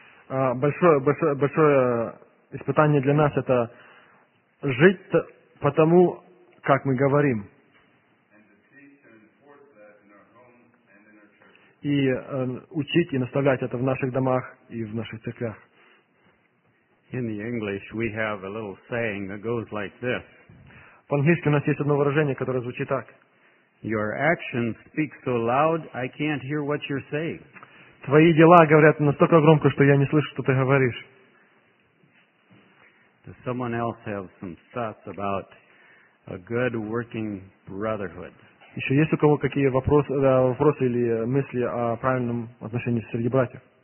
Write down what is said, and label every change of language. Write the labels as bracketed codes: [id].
[ru] Большое испытание для нас — это жить потому, как мы говорим. И учить и наставлять это в наших домах и в наших церквях. [en] In the English we have a little saying that goes like this. [ru] По-английски у нас есть одно выражение, которое звучит так. [en] Your actions speak so loud, I can't hear what you're saying. [ru] Твои дела говорят настолько громко, что я не слышу, что ты говоришь. [en] Does someone else have some thoughts about a good working brotherhood? [ru] Еще есть у кого какие вопросы или мысли о правильном отношении среди братьев?